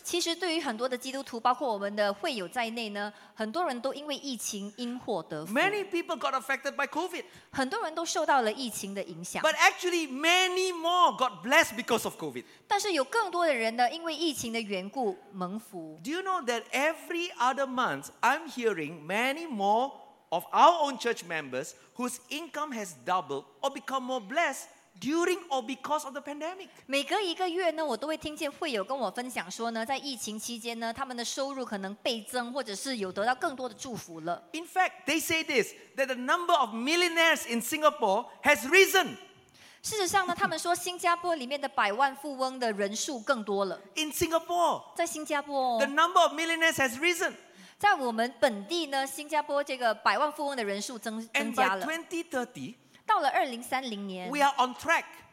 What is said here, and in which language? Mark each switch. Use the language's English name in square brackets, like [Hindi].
[Chinese] 其实对于很多的基督徒，包括我们的会友在内呢，很多人都因为疫情因祸得福。 [English] Many people got affected by COVID. [Chinese] 很多人都受到了疫情的影响。 [English] But actually, many more got blessed because of COVID. [Chinese] 但是有更多的人呢，因为疫情的缘故蒙福。 [English] Do you know that every other month, I'm hearing many more of our own church members whose income has doubled or become more blessed during or because of the pandemic. [Chinese] 每隔一个月呢，我都会听见会友跟我分享说呢，在疫情期间呢，他们的收入可能倍增，或者是有得到更多的祝福了。 [English] In fact, they say this, that the number of millionaires in Singapore has risen. [Chinese] 事实上呢，他们说新加坡里面的百万富翁的人数更多了。 [English] In Singapore, [Chinese] 在新加坡、 [English] the number of millionaires has risen. [Chinese] 在我们本地呢，新加坡这个百万富翁的人数 增加了。 [English] And by 2030, [Chinese] 到了2030年 [English] ，we are on track.